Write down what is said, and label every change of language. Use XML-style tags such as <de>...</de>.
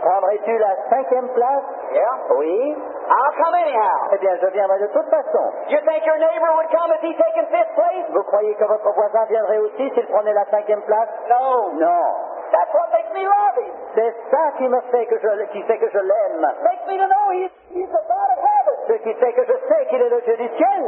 <fr>Prendrais-tu la cinquième place?</fr> <en>Yeah.</en> <fr>Oui.</fr> <en>I'll come anyhow.</en> <fr>Eh bien, je viendrai de toute façon.</fr> <en>You think your neighbor would come if he taken fifth place?</en> <fr>Vous croyez que votre voisin viendrait aussi s'il prenait la cinquième place?</fr> <en>No.</en> <fr>Non.</fr> <en>That's what makes me love him.</en> <fr>C'est ça qui me fait que je l'aime.</fr> <en>Makes me to know he's the God of heaven.</en> <fr>Ce qui fait que je sais qu'il est le Dieu du ciel.</fr>